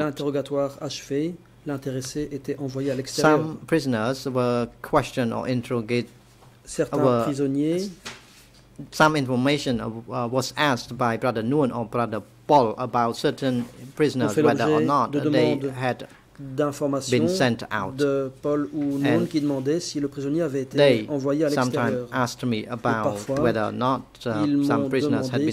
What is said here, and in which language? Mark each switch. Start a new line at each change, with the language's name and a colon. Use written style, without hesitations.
French: L'interrogatoire achevé, l'intéressé était envoyé à l'extérieur.
English: Some prisoners were questioned or interrogated.
French: Certains prisonniers.
English: Some information was asked by Brother Nguyen or Brother Paul about certain prisoners whether or not
French: de
English: they had
French: d'information
English: been sent out.
French: De Paul ou Nguyen qui demandait si le prisonnier avait été envoyé à l'extérieur.
English: They sometimes asked me about whether or not some prisoners had been